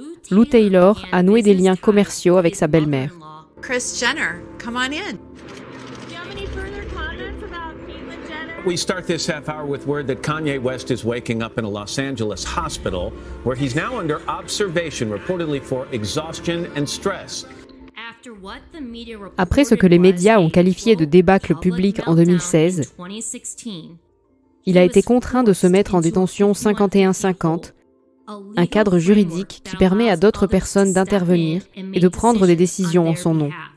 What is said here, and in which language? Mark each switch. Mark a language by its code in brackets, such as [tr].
[fr] Lou Taylor a noué des liens commerciaux avec sa belle-mère. [en] Kris Jenner, come on in. We start this half hour with word that Kanye West is waking up in a Los Angeles hospital where he's now under observation reportedly for exhaustion and stress. [fr] Après ce que les médias ont qualifié de débâcle publique en 2016, il a été contraint de se mettre en détention 51-50, un cadre juridique qui permet à d'autres personnes d'intervenir et de prendre des décisions en son nom.